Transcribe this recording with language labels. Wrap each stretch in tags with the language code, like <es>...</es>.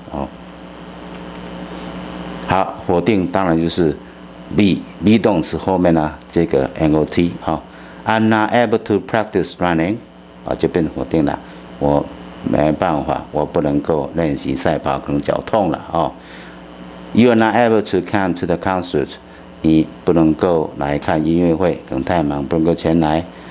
<zh>哦，好，否定当然就是 be 动词后面呢、啊、这个 not、哦。</zh> <en>I'm not able to practice running. 啊、哦，就变成否定了。</en> <zh>我没办法，我不能够练习赛跑，可能脚痛了。</zh> <en>哦 ，You are not able to come to the concert.</en> <zh>你不能够来看音乐会，可能太忙，不能够前来。</zh>